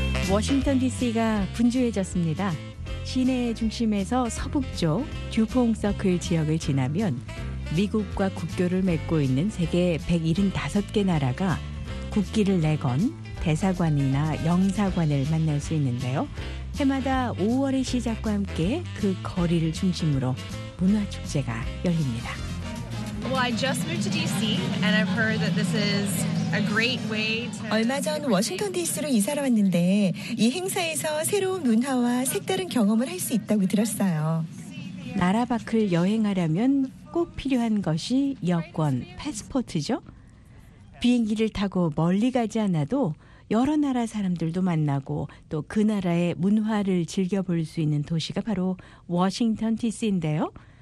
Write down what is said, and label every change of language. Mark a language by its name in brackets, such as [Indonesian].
[Korean] 워싱턴 DC가 분주해졌습니다. 시내 중심에서 서북쪽 듀퐁 서클 지역을 지나면 미국과 국교를 맺고 있는 세계 175개 나라가 국기를 내건 대사관이나 영사관을 만날 수 있는데요. 해마다 5월의 시작과 함께 그 거리를 중심으로 문화축제가 열립니다. [English] Well, I just moved to DC and I've heard that this is a great way to [Korean] 얼마 전 워싱턴 DC로 이사를 왔는데 이 행사에서 새로운 문화와 색다른 경험을 할 수 있다고 들었어요. 나라 밖을 여행하려면 꼭 필요한 것이 여권, 패스포트죠. 비행기를 타고 멀리 가지 않아도 여러 나라 사람들도 만나고 또 그 나라의 문화를 즐겨볼 수 있는 도시가 바로 워싱턴 DC인데요.